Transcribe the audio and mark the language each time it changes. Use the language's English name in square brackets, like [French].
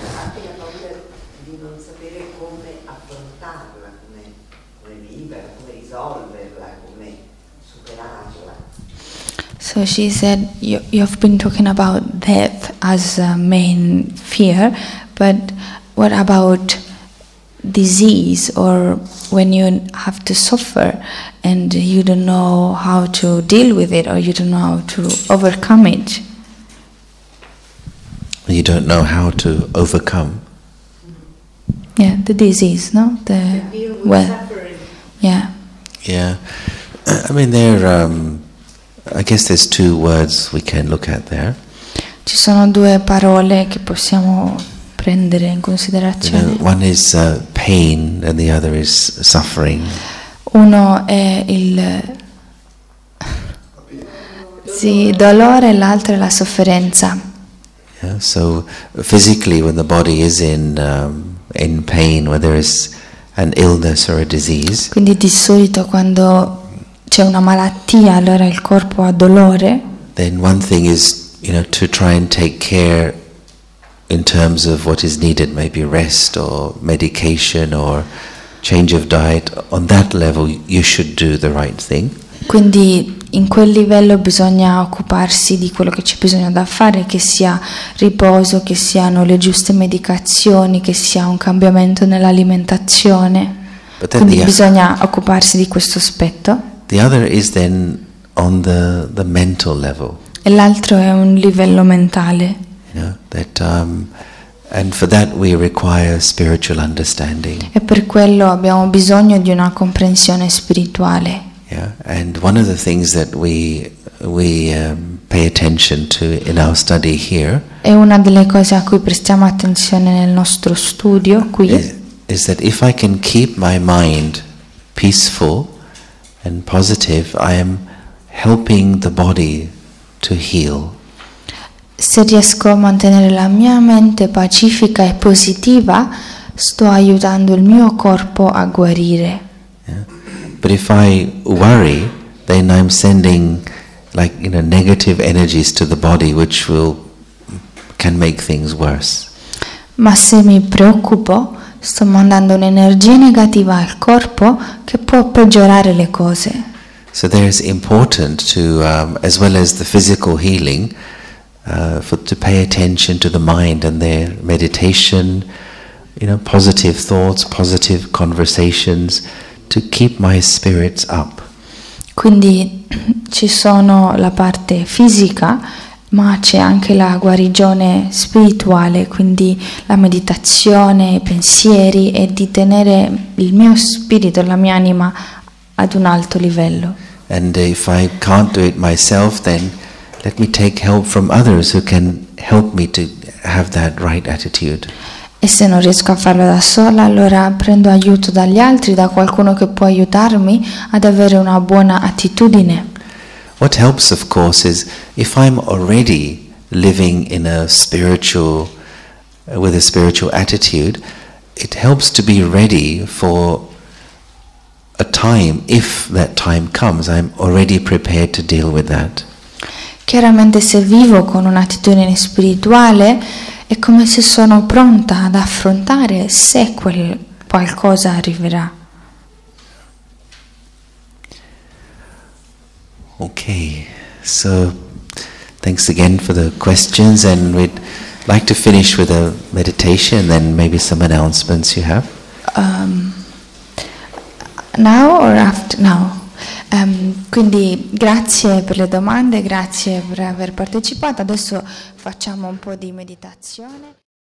[Italian] Anche la paura di non sapere come affrontarla, come vivere, come risolverla, come superarla. [English] So she said, you've been talking about death as a main fear, but what about disease or when you have to suffer and you don't know how to deal with it or you don't know how to overcome it? You don't know how to overcome. Yeah, the disease, no? The deal with suffering. Yeah. Yeah. I mean, there. I guess there's two words we can look at there. [Italian] Ci sono due parole che possiamo prendere in considerazione. [English] You know, one is pain, and the other is suffering. [Italian] Uno è il sì, dolore, e l'altro è la sofferenza. [English] Yeah, so physically, when the body is in pain, when there is an illness or a disease. [Italian] Quindi di solito quando c'è una malattia, allora il corpo ha dolore. [English] Then one thing is, you know, to try and take care in terms of what is needed, maybe rest or medication or change of diet. On that level, you should do the right thing. [Italian] Quindi in quel livello bisogna occuparsi di quello che c'è bisogno da fare, che sia riposo, che siano le giuste medicazioni, che sia un cambiamento nell'alimentazione. Quindi bisogna occuparsi di questo aspetto. [English] The other is then on the mental level. [Italian] E l'altro è un livello mentale. [English] You know, that, and for that we require spiritual understanding. [Italian] E per quello abbiamo bisogno di una comprensione spirituale. [English] Yeah, and one of the things that we pay attention to in our study here. [Italian] È una delle cose a cui prestiamo attenzione nel nostro studio qui. [English] Is that if I can keep my mind peaceful and positive, I am helping the body to heal. [Italian] Se riesco a mantenere la mia mente pacifica e positiva, sto aiutando il mio corpo a guarire. [English] But if I worry, then I'm sending, like, you know, negative energies to the body, which can make things worse. [Italian] Ma se mi preoccupo, sto mandando un'energia negativa al corpo che può peggiorare le cose. [English] So there is important to, as well as the physical healing, to pay attention to the mind and their meditation, you know, positive thoughts, positive conversations. To keep my spirits up. [Italian] Quindi ci sono la parte fisica, ma c'è anche la guarigione spirituale, quindi la meditazione, i pensieri e di tenere il mio spirito, la mia anima ad un alto livello. [English] And if I can't do it myself, then let me take help from others who can help me to have that right attitude. [Italian] E se non riesco a farlo da sola, allora prendo aiuto dagli altri, da qualcuno che può aiutarmi ad avere una buona attitudine. [English] What helps, of course, is if I'm already living in a spiritual, with a spiritual attitude, it helps to be ready for a time, if that time comes, I'm already prepared to deal with that. [Italian] Chiaramente se vivo con un'attitudine spirituale, è come se sono pronta ad affrontare se quel qualcosa arriverà. [English] Okay, so thanks again for the questions, and we'd like to finish with a meditation, then maybe some announcements you have. Now or after now? [Italian] Quindi grazie per le domande, grazie per aver partecipato. Adesso facciamo un po' di meditazione.